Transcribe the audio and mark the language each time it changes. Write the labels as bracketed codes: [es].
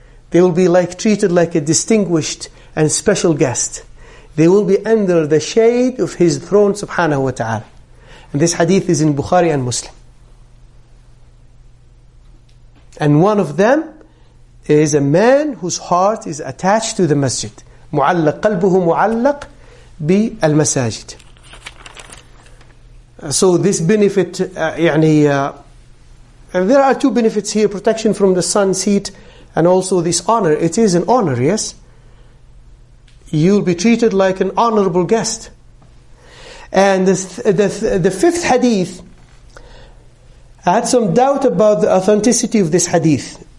[en] They will be like treated like a distinguished and special guest. They will be under the shade of His throne, subhanahu wa ta'ala. And this hadith is in Bukhari and Muslim. And one of them is a man whose heart is attached to the masjid. [ar] معلق قلبه معلق بالمساجد. [en] So this benefit, there are two benefits here: protection from the sun's heat, and also this honor. It is an honor, yes. You'll be treated like an honorable guest. And the fifth hadith, I had some doubt about the authenticity of this hadith.